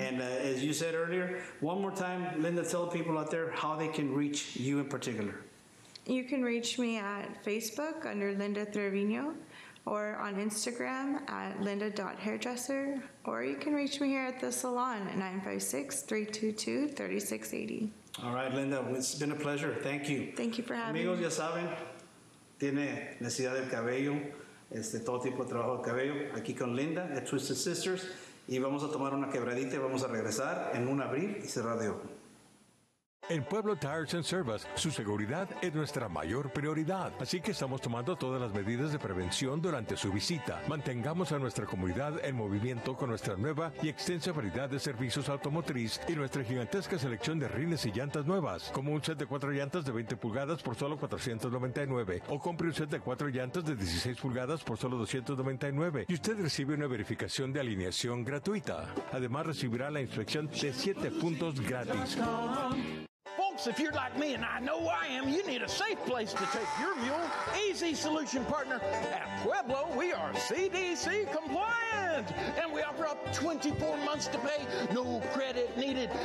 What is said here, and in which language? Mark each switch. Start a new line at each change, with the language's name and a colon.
English: And as you said earlier, one more time, Linda, tell the people out there how they can reach you in particular. You can reach me at Facebook under Linda Trevino or on Instagram at linda.hairdresser, or you can reach me here at the salon at 956-322-3680. All right, Linda, it's been a pleasure. Thank you. Thank you for having me.
Spanish: Amigos, ya saben, tiene necesidad del cabello, todo tipo de trabajo de cabello, aquí con Linda at Twisted Sisters, y vamos a tomar una quebradita y vamos a regresar en un abrir y cerrar de ojo. En Pueblo Tires and Service, su seguridad es nuestra mayor prioridad. Así que estamos tomando todas las medidas de prevención durante su visita. Mantengamos a nuestra comunidad en movimiento con nuestra nueva y extensa variedad de servicios automotriz y nuestra gigantesca selección de rines y llantas nuevas, como un set de 4 llantas de 20 pulgadas por solo $499, o compre un set de 4 llantas de 16 pulgadas por solo $299, y usted recibe una verificación de alineación gratuita. Además, recibirá la inspección de 7 puntos gratis.
English: Folks, if you're like me, and I know I am, you need a safe place to take your mule. Easy solution, partner. At Pueblo, we are CDC compliant. And we offer up 24 months to pay. No credit needed.